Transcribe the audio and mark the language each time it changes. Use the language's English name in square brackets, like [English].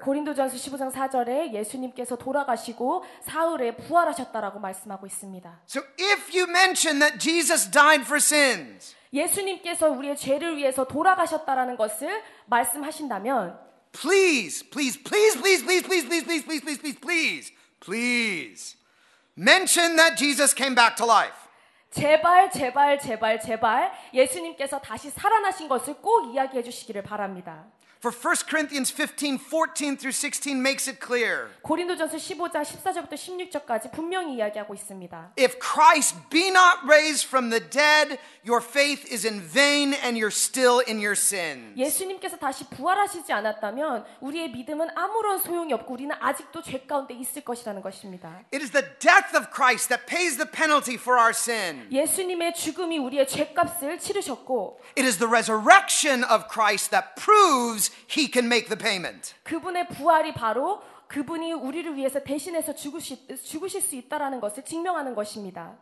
[Korean] 고린도전서 15장 4절에 예수님께서 돌아가시고 사흘에 부활하셨다라고 말씀하고 있습니다. [English] So if you mention that Jesus died for sins, [Korean] 예수님께서 우리의 죄를 위해서 돌아가셨다라는 것을 말씀하신다면, [English] please, please, please, please, please, please, please, please, please, please, please, please, please mention that Jesus came back to life. [Korean] 제발 제발 제발 제발 예수님께서 다시 살아나신 것을 꼭 이야기해 주시기를 바랍니다. [English] For 1 Corinthians 15:14 through 16 makes it clear. [Korean] 고린도전서 15장 14절부터 16절까지 분명히 이야기하고 있습니다. [English] If Christ be not raised from the dead, your faith is in vain and you're still in your sins. [Korean] 예수님께서 다시 부활하시지 않았다면 우리의 믿음은 아무런 소용이 없고 우리는 아직도 죄 가운데 있을 것이라는 것입니다. [English] It is the death of Christ that pays the penalty for our sin. [Korean] 예수님의 죽음이 우리의 죄값을 치르셨고 [English] It is the resurrection of Christ that proves He can make the payment. [Korean] 그분의 부활이 바로 그분이 우리를 위해서 대신해서 죽으실 수 있다라는 것을 증명하는 것입니다.